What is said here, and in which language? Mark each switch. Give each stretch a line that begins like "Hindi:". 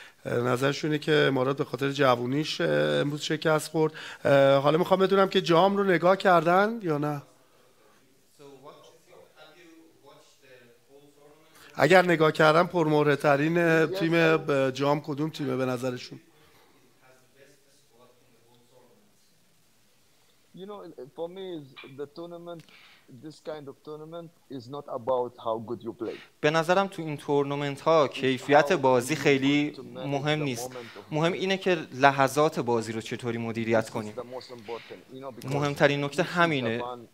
Persian: نظرشونه که امارات به خاطر جوونیش امروز شکست خورد. حالا میخوام بدونم که جام رو نگاه کردن یا نه. اگر نگاه کردن پرمهره ترین تیم جام کدوم تیمه به نظرشون؟
English: you know, for me, the tournament, this kind of tournament is not about how good you play.
Persian: به نظرم تو این تورنمنت ها کیفیت بازی خیلی مهم نیست. مهم اینه که لحظات بازی رو چطوری مدیریت کنی. مهمترین نکته همینه.